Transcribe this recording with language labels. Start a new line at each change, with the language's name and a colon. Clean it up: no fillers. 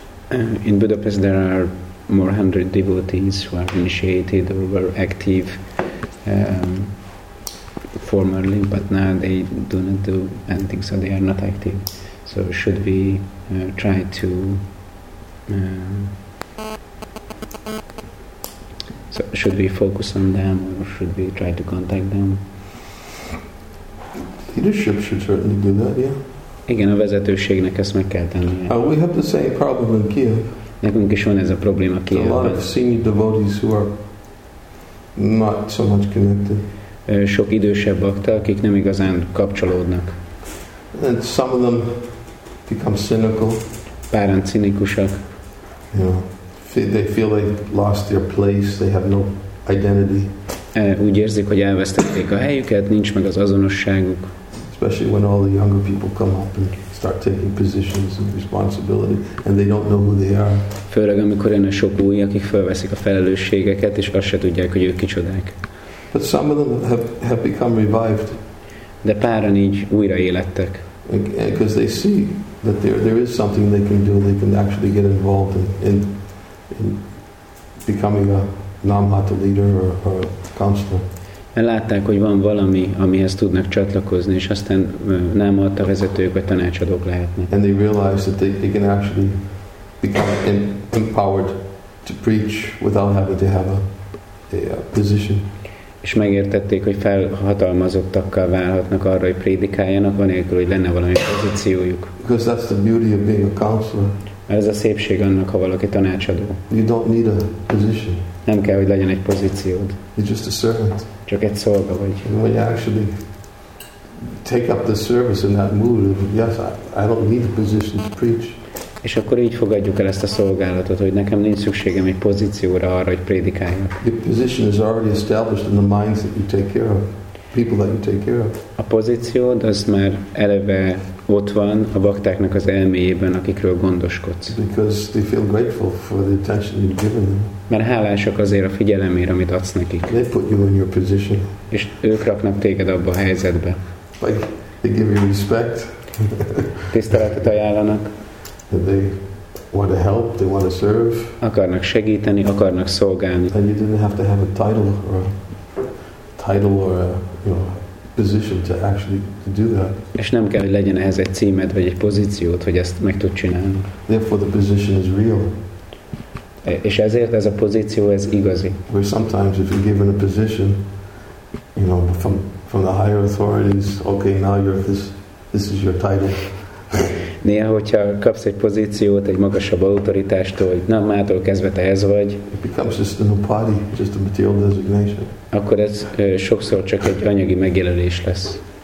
English: In Budapest there are more 100 devotees who are initiated or were active formerly, but now they do not do anything, so they are not active. So should we try to so should we focus on them, or should we try to contact them? Leadership should certainly do that, yeah.
Hungarian: Igen, a vezetőségnek ezt meg kell tennie.
English: We have the same problem in Kiev.
Hungarian: Nekünk is van ez a probléma Kievben.
English: A lot of senior devotees who are not so much connected.
Hungarian: Sok idősebb bakta, akik nem igazán kapcsolódnak.
English: And some of them become cynical.
Hungarian: Páran cinikusak.
English: Yeah. They feel they lost their place. They have no identity.
Hungarian: Úgy érzik, hogy elvesztették a helyüket, nincs meg az azonosságuk.
English: Especially when all the younger people come up and start taking positions and responsibility, and they don't know who they are.
Hungarian: Főleg amikor jön a sok új, akik felveszik a felelősségeket, és azt se tudják, hogy ők kicsodák.
English: But some of them have become revived.
Hungarian: De páran így újra élettek.
English: Because they see that there is something they can do, they can actually get involved in becoming a Namhata leader or a counselor.
Hungarian: Mert látták, hogy van valami, amihez tudnak csatlakozni, és aztán nem ott a vezetők, vagy tanácsadók lehetnek.
English: And they realize that they can actually become empowered to preach without having to have a position.
Hungarian: És megértették, hogy felhatalmazottakkal válhatnak arra, hogy prédikáljanak, anélkül, hogy lenne valami pozíciójuk.
English: Because that's the beauty of being a counselor.
Hungarian: Ez a szépség annak, ha valaki tanácsadó.
English: You don't need a position.
Hungarian: Nem kell, hogy legyen egy pozíciód.
English: You're just a servant.
Hungarian: Csak egy szolga vagy.
English: When you actually take up the service in that mood, yes, I don't need a position to preach.
Hungarian: És akkor így fogadjuk el ezt a szolgálatot, hogy nekem nincs szükségem egy pozícióra arra, hogy prédikáljak.
English: Your position is already established in the minds that you take care of. People that you take care of.
Hungarian: A pozíciód az már eleve ott van a baktáknak az elméjében, akikről gondoskodsz.
English: Because they feel grateful for the attention you've given them.
Hungarian: Mert hálásak azért a figyelemért, amit adsz nekik.
English: They put you in your position.
Hungarian: És ők raknak téged abba a helyzetbe.
English: Like they give you respect.
Hungarian: Tiszteletet ajánlanak.
English: They want to help, they want to serve.
Hungarian: Akarnak segíteni, akarnak szolgálni.
English: And you didn't have to have a title or a position to actually do that.
Hungarian: És nem kell, hogy legyen ehhez egy címed vagy egy pozíciót, hogy ezt meg tud csinálni.
English: Therefore the position is real.
Hungarian: És ezért ez a pozíció ez igazi.
English: Where sometimes if you're given a position, you know, from the higher authorities, okay, now you're this is your title.
Hungarian: Néha, hogyha kapsz egy pozíciót egy magasabb autoritástól, hogy na, mától kezdve te ez vagy,
English: it becomes just a party, just a material designation.
Hungarian: Akkor ez sokszor csak egy anyagi megjelölés lesz.